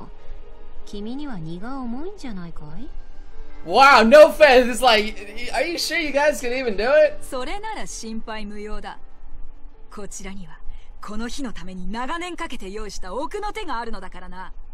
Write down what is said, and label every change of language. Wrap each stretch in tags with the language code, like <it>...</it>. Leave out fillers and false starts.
<ja>なるほど。女神とゴールドサード相手にどうする？いくら黄金の頂きを破壊しても、君には荷が重いんじゃないかい？</ja> <en>Wow, no offense. It's like, are you sure you guys can even do it?</en> <ja>それなら心配無用だ。こちらにはこの日のために長年かけて用意した奥の手があるのだからな。</ja>